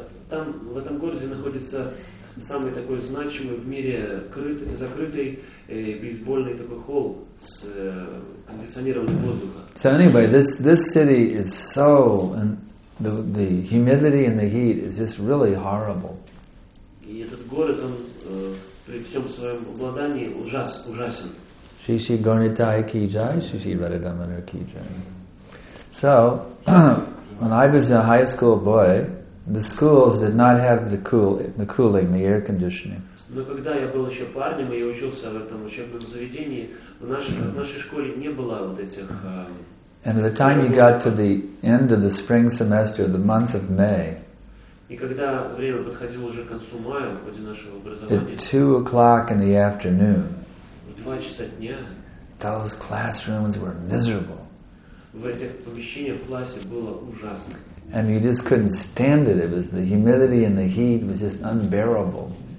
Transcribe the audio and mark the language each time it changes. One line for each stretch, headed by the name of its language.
Russian: Там в этом городе находится самый такой значимый в мире закрытый бейсбольный такой холл с кондиционированным воздухом.
English: So anyway, this city is so, and the humidity and the heat is just really horrible.
Russian: И этот город, он при всем своем обладании ужасен. Шиши Горнитай Киджай, Шиши Радаманар Киджай.
English: So, when I was a high school boy, the schools did not have the cooling, the air conditioning.
Russian: Но когда я был еще парнем и учился в этом учебном заведении, в нашей школе не было вот этих...
English: And by the time you got to the end of the spring semester, the month of May,
Russian: И когда время подходило уже к концу мая, в ходе нашего образования,
English: at 2 o'clock in the afternoon,
Russian: в 2 часа дня,
English: those classrooms were miserable.
Russian: В этих помещениях в классе было ужасно.
English: And you just couldn't stand it. It was the humidity and the heat was just unbearable.